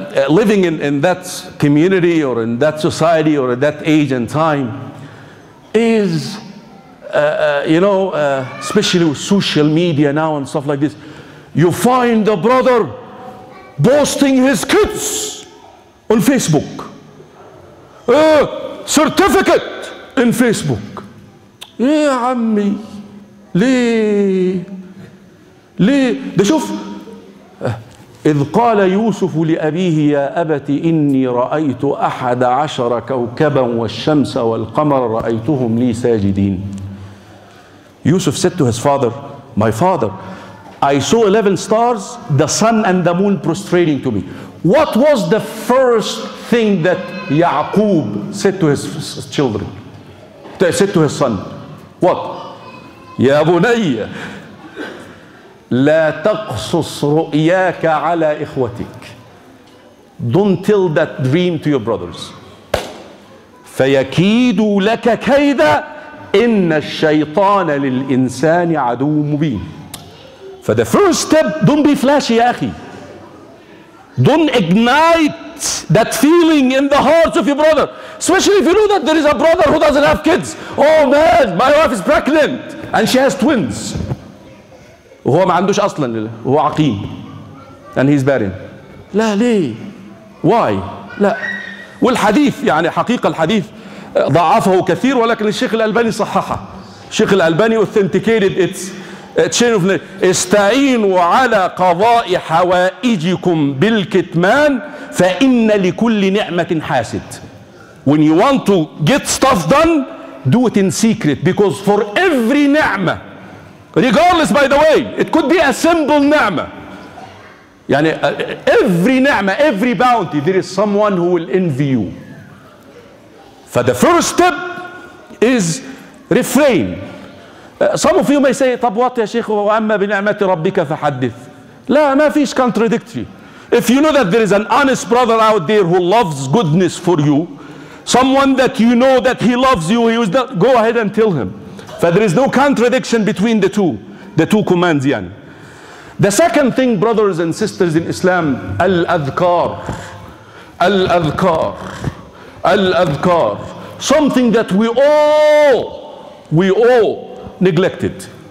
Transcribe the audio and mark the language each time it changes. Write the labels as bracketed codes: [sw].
[en] living in that community or in that society or at that age and time is especially with social media now and stuff like this, you find a brother boasting his kids on Facebook, certificate in Facebook. [ar] ايه عمي ليه ده شوف اذ قال يوسف لابيه يا ابتي اني رايت احد عشر كوكبا والشمس والقمر رايتهم لي ساجدين. [en] Yusuf said to his father, my father, I saw 11 stars, the sun and the moon prostrating to me. What was the first thing that Yaqub said to his children, said to his son? What? [ar] يا بني لا تقصص رؤياك على إخوتك. [en] Don't tell that dream to your brothers. [ar] فيكيدوا لك كيدا إن الشيطان للإنسان عدو مبين. [en] For the first step, don't be flashy, [ar] أخي. [en] Don't ignite that feeling in the hearts of your brother. Especially if you know that there is a brother who doesn't have kids. Oh man, my wife is pregnant and she has twins. [ar] وهو ما عندوش اصلا, هو عقيم. [en] And he's barren. [ar] لا ليه؟ [en] Why? [ar] لا. والحديث يعني حقيقة الحديث ضعفه كثير ولكن الشيخ الألباني صححه. [en] الشيخ الألباني authenticated its chain of name. [ar] استعينوا على قضاء حوائجكم بالكتمان فإن لكل نعمة حاسد. [en] When you want to get stuff done, do it in secret. Because for every ni'mah, regardless, by the way, it could be a simple ni'mah. يعني every ni'mah, every bounty, there is someone who will envy you. For the first step is refrain. Some of you may say, [ar] طب وات يا شيخ وأما بنعمة ربك فحدث. لا, ما فيش [en] contradictory. If you know that there is an honest brother out there who loves goodness for you, someone that you know that he loves you, he was not, go ahead and tell him. For there is no contradiction between the two commands. Yani. The second thing, brothers and sisters in Islam, al-adhkar, al-adhkar, al-adhkar, something that we all neglected.